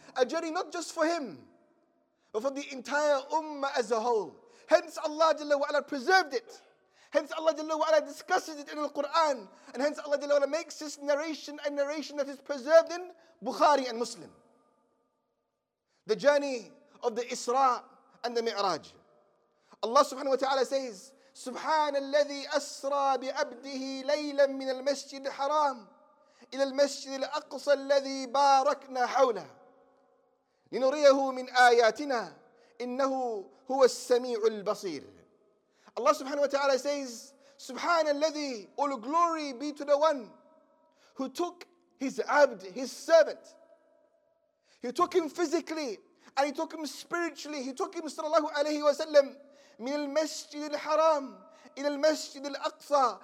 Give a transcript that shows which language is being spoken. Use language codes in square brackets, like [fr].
[en] A journey not just for him, but for the entire ummah as a whole. Hence Allah Jalla wa ala preserved it. Hence Allah Jalla wa ala discusses it in Al-Quran. And hence Allah Jalla wa ala makes this narration a narration that is preserved in Bukhari and Muslim. The journey of the Isra and the Mi'raj. Allah subhanahu wa ta'ala says, [ar] سُبْحَانَ الَّذِي أَسْرَى بِعَبْدِهِ لَيْلًا مِنَ الْمَسْجِدِ الْحَرَامِ إِلَى الْمَسْجِدِ الْأَقْصَى الَّذِي بَارَكْنَا حَوْلَهُ لِنُرِيَهُ مِنْ آيَاتِنَا إِنَّهُ هُوَ السَّمِيعُ الْبَصِيرُ. [en] Allah subhanahu wa ta'ala says, [ar] سُبْحَانَ الَّذِي, [en] all glory be to the one who took his abd, his servant. He took him physically and he took him spiritually. He took him, sallallahu alayhi wa sallam, [ar] من المسجد الحرام إلى المسجد الأقصى.